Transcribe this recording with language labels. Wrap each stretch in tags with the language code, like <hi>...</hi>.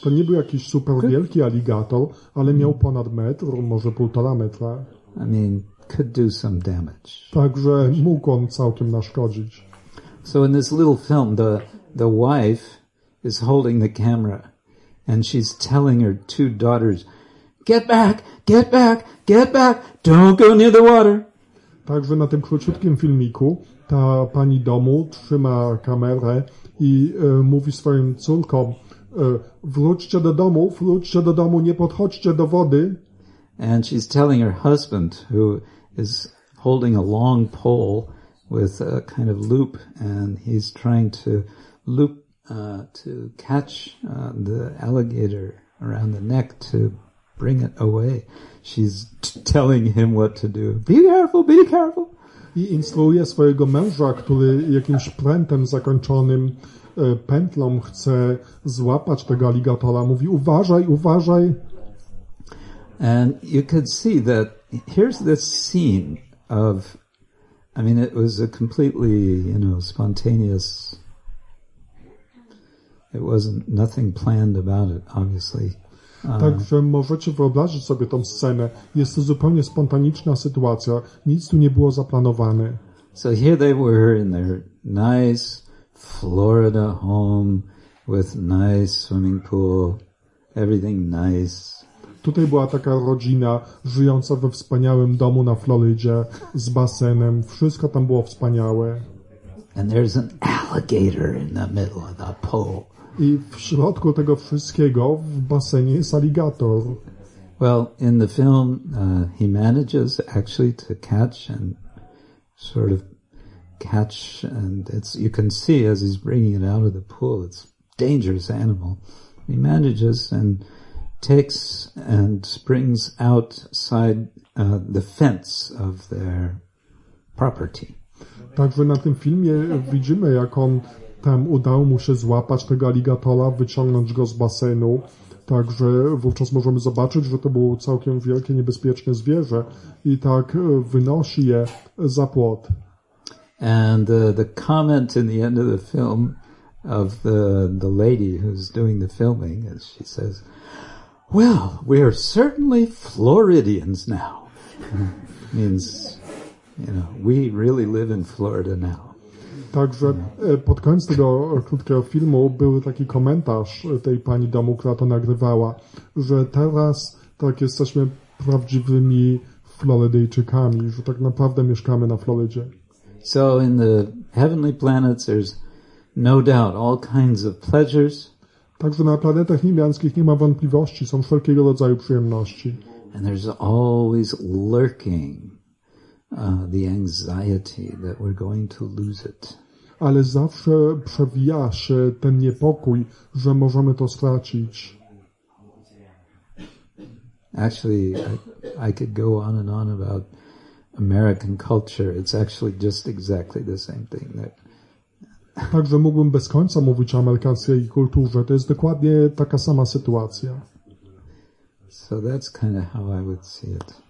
<pl>To nie był jakiś super wielki aligator, ale miał ponad metr, może półtora metra.</pl> <en>I mean, could do some damage.</en> <pl>Także mógł on całkiem naszkodzić.</pl> <en>So in this little film, the wife is holding the camera and she's telling her two daughters, get back, get back, get back, don't go near the water.</en> <pl>Także na tym króciutkim filmiku ta pani domu trzyma kamerę i mówi swoim córkom, wróćcie do domu, nie podchodźcie do wody.</pl> <en>And she's telling her husband, who is holding a long pole with a kind of loop, and he's trying to loop to catch the alligator around the neck to bring it away. She's telling him what to do. Be careful, be careful.</en> <pl>I instruuje swojego męża, który jakimś prętem zakończonym pętlą chce złapać tego aligatora. Mówi, uważaj, uważaj.</pl> <en>And you could see that here's this scene of, I mean, it was a completely, you know, spontaneous. It wasn't nothing planned about it, obviously.</en> <pl>Także możecie wyobrazić sobie tą scenę. Jest to zupełnie spontaniczna sytuacja. Nic tu nie było zaplanowane.</pl> <en>So here they were in their nice Florida home with nice swimming pool, everything nice.</en> <pl>Tutaj była taka rodzina żyjąca we wspaniałym domu na Florydzie z basenem. Wszystko tam było wspaniałe.</pl> <en>And there's an alligator in the middle of the pool.</en> <pl>I w środku tego wszystkiego w basenie jest aligator.</pl> <en>Well, in the film he manages actually to catch and sort of catch, and it's, you can see as he's bringing it out of the pool, it's a dangerous animal. He manages and takes and springs outside the fence of their property.</en> <pl>Także na tym filmie widzimy, jak on tam udało mu się złapać tego aligatora, wyciągnąć go z basenu. Także wówczas możemy zobaczyć, że to było całkiem wielkie, niebezpieczne zwierzę i tak wynosi je za płot.</pl> <en>And the comment in the end of the film of the lady who's doing the filming, as she says, well, we are certainly Floridians now. Means, you know, we really live in Florida now.</en> <pl>Także pod koniec tego krótkiego filmu był taki komentarz tej pani domu, która to nagrywała, że teraz tak jesteśmy prawdziwymi Florydyjczykami, że tak naprawdę mieszkamy na Florydzie.</pl> <en>So in the heavenly planets there's no doubt all kinds of pleasures.</en> <pl>Także na planetach niebiańskich nie ma wątpliwości, są wszelkiego rodzaju przyjemności.</pl> <en>And there's always lurking the anxiety that we're going to lose it.</en> <pl>Ale zawsze przewija się ten niepokój, że możemy to stracić.</pl> <en>Actually, I could go on and on about American culture. It's actually just exactly the same thing.</en> <pl>Także mógłbym bez końca mówić o amerykańskiej kulturze. To jest dokładnie taka sama sytuacja.</pl> <en>So that's kind of how I would see it.</en>